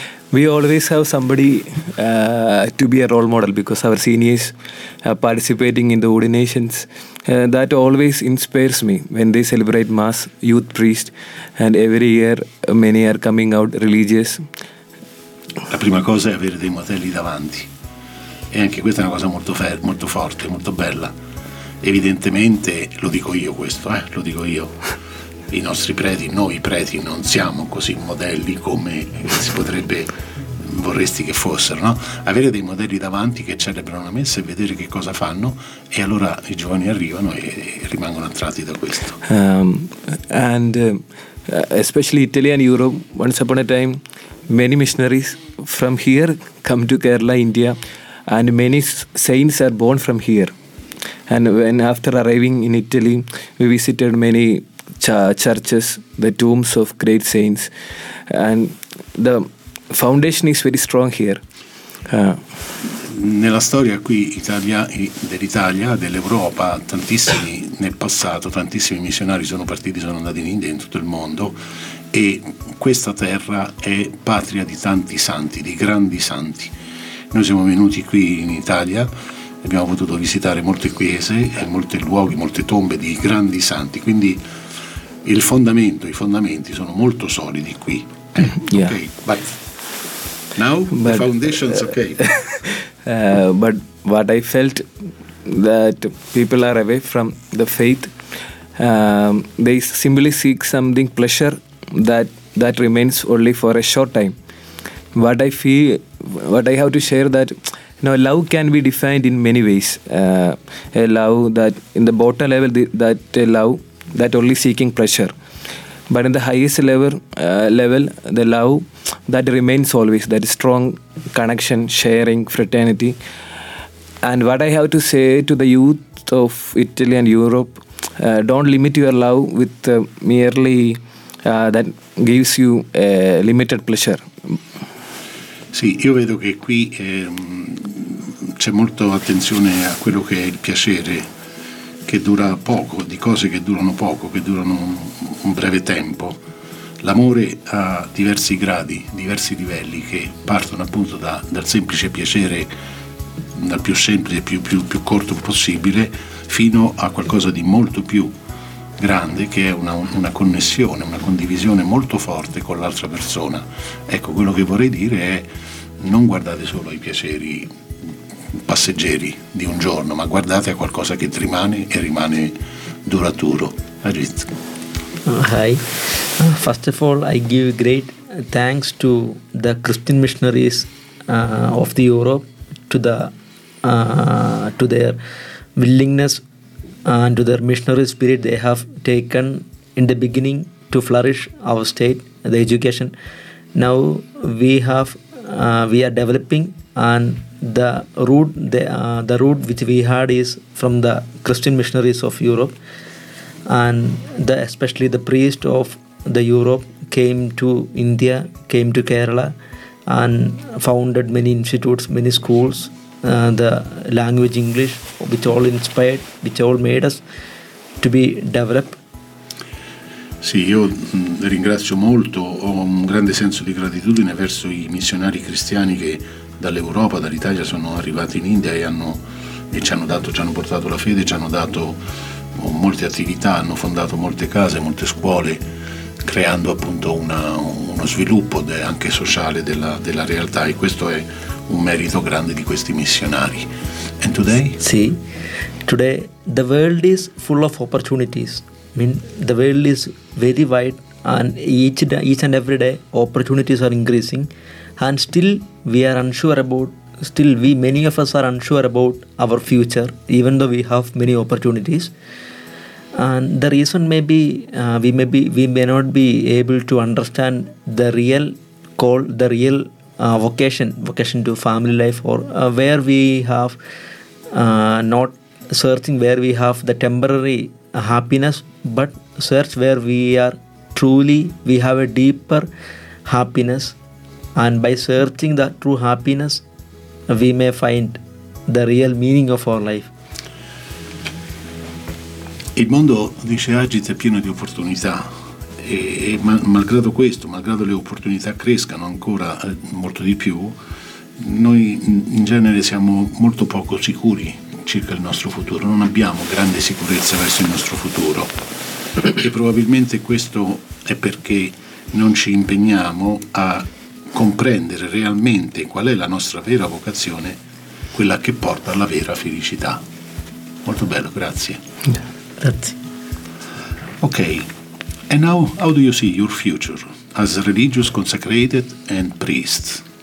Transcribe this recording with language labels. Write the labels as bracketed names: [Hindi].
[English] We always have somebody to be a role model because our seniors are participating in the ordinations. That always inspires me when they celebrate Mass, youth priest, and every year many are coming out religious. [Italian] La prima cosa è avere dei modelli davanti. E anche questa è una cosa molto molto forte, molto bella. Evidentemente, lo dico io questo, lo dico io. I nostri preti, noi preti, non siamo così modelli come si potrebbe, vorresti che fossero, no? Avere dei modelli davanti che celebrano la messa e vedere che cosa fanno, e allora i giovani arrivano e rimangono attratti da questo. [English] And especially Italy and Europe, once upon a time, many missionaries from here come to Kerala, India, and many saints are born from here. And when after arriving in Italy, we visited many churches, the tombs of great saints, and the foundation is very strong here. [Italian] Nella storia qui dell'Italia, dell'Europa, tantissimi nel passato, tantissimi missionari sono partiti, sono andati in India, in tutto il mondo, e questa terra è patria di tanti santi, di grandi santi. Noi siamo venuti qui in Italia, abbiamo potuto visitare molte chiese e molti luoghi, molte tombe di grandi santi, quindi il fondamento, i fondamenti sono molto solidi qui. [English] Yeah. Okay, bye. Now but, the foundation's okay. But what I felt that people are away from the faith, they simply seek something pleasure that remains only for a short time. What I have to share that, now love can be defined in many ways. A love that in the bottom level, that only seeking pleasure, but in the highest level, the love that remains always, that strong connection, sharing, fraternity. And what I have to say to the youth of Italy and Europe, don't limit your love with merely that gives you a limited pleasure. [Italian] Sì, io vedo che qui c'è molto attenzione a quello che è il piacere, che dura poco, di cose che durano poco, che durano un breve tempo. L'amore ha diversi gradi, diversi livelli, che partono appunto dal semplice piacere, dal più semplice, più corto possibile, fino a qualcosa di molto più grande, che è una connessione, una condivisione molto forte con l'altra persona. Ecco, quello che vorrei dire è: non guardate solo ai piaceri passeggeri di un giorno, ma guardate a qualcosa che rimane e rimane duraturo. Ajit. [English] Hi. First of all, I give great thanks to the Christian missionaries of the Europe to their willingness and to their missionary spirit they have taken in the beginning to flourish our state, the education. Now we are developing, and the root which we had is from the Christian missionaries of Europe, and especially the priest of the Europe came to India, came to Kerala, and founded many institutes, many schools. The language English, which all inspired, which all made us to be developed. [Italian] Sì, io ringrazio molto, ho un grande senso di gratitudine verso i missionari cristiani che dall'Europa, dall'Italia sono arrivati in India e ci hanno portato la fede, ci hanno dato molte attività, hanno fondato molte case, molte scuole, creando appunto uno sviluppo anche sociale della realtà, e questo è un merito grande di questi missionari. [English] And today? [Italian] Sì, [English] today the world is full of opportunities. I mean, the world is very wide, and each and every day opportunities are increasing, and many of us are unsure about our future, even though we have many opportunities. And the reason may not be able to understand the real call, the real vocation to family life, or where we have not searching where we have the temporary happiness, but search where we have a deeper happiness, and by searching that true happiness we may find the real meaning of our life. [Italian] Il mondo, dice Ajit, è pieno di opportunità, malgrado questo, malgrado le opportunità crescano ancora molto di più, noi in genere siamo molto poco sicuri circa il nostro futuro, non abbiamo grande sicurezza verso il nostro futuro, e probabilmente questo è perché non ci impegniamo a comprendere realmente qual è la nostra vera vocazione, quella che porta alla vera felicità. Molto bello, grazie. Grazie. [English] Ok, and now how do you see your future as a religious consecrated and priest?